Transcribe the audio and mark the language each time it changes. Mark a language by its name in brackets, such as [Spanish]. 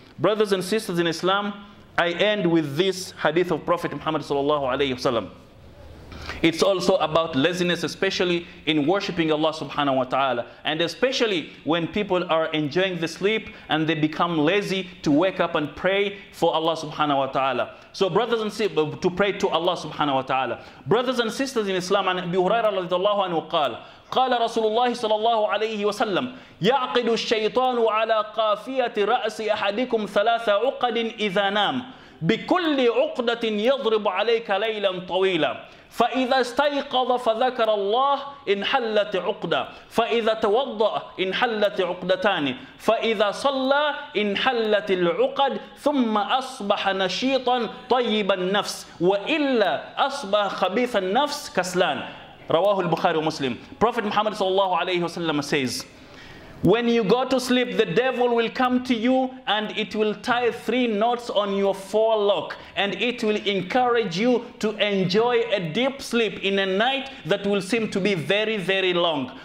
[English] Brothers and sisters in Islam, I end with this hadith of Prophet Muhammad sallallahu alayhi wasallam. It's also about laziness, especially in worshiping Allah subhanahu wa ta'ala. And especially when people are enjoying the sleep and they become lazy to wake up and pray for Allah subhanahu wa ta'ala. So brothers and sisters, to pray to Allah subhanahu wa ta'ala. Brothers and sisters in Islam, an Abi Huraira radiallahu anhu qala, [Arabic] قال رسول الله صلى الله عليه وسلم يعقد الشيطان على قافية رأس أحدكم ثلاث عقد إذا نام بكل عقدة يضرب عليك ليلا طويلا فإذا استيقظ فذكر الله انحلت عقدة فإذا توضأ انحلت عقدتان فإذا صلى انحلت العقد ثم أصبح نشيطا طيب النفس وإلا أصبح خبيث النفس كسلان. رواه البخاري ومسلم. [English] Prophet Muhammad sallallahu alayhi wasallam says, when you go to sleep, the devil will come to you and it will tie three knots on your forelock and it will encourage you to enjoy a deep sleep in a night that will seem to be very, very long.